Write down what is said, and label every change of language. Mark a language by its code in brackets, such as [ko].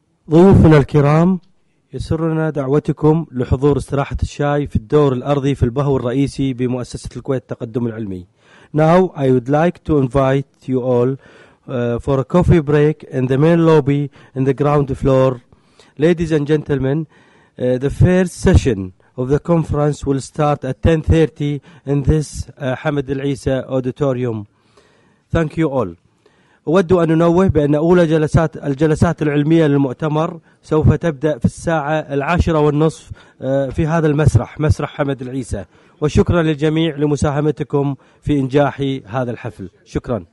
[ar] ضيوفنا الكرام، يسرنا دعوتكم لحضور استراحة الشاي في الدور الأرضي في البهو الرئيسي بمؤسسة الكويت التقدم العلمي. [en] Now I would like to invite you all for a coffee break in the main lobby in the ground floor. Ladies and gentlemen, the first session of the conference will start at 10:30 in this حمد العيسى auditorium. Thank you all. [ar] أود أن ننوه بأن أولى الجلسات العلمية للمؤتمر سوف تبدأ في الساعة 10:30 في هذا المسرح، مسرح حمد العيسى، وشكرا للجميع لمساهمتكم في إنجاح هذا الحفل. شكرا.